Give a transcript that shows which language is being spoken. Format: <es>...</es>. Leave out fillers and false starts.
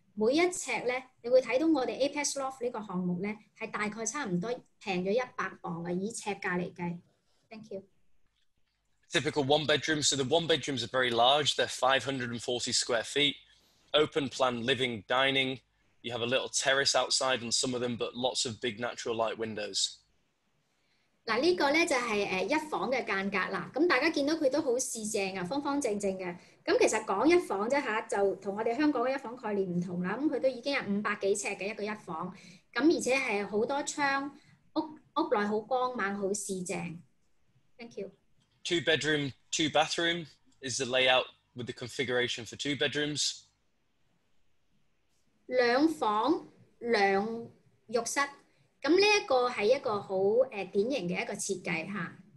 <yue>每一尺咧，你會睇到我哋 Apex Loft 呢個項目咧，係大概差唔多平咗£100嘅，以尺價嚟計。</yue> <en>Thank you. Typical one bedroom. So the one bedrooms are very large. They're 540 square feet. Open plan living dining. You have a little terrace outside on some of them, but lots of big natural light windows.</en> <yue>嗱，呢個咧就係一房嘅間隔啦。咁大家見到佢都好市正啊，方方正正嘅。咁其實講一房啫嚇，就同我哋香港嘅一房概念唔同啦。咁佢都已經係500多尺嘅一個一房。咁而且係好多窗，屋內好光猛，好市正。</yue> <en>Thank you. Two bedroom, two bathroom is the layout with the configuration for two bedrooms.</en> <yue>兩房兩浴室。咁呢一個係一個好典型嘅一個設計嚇。</yue>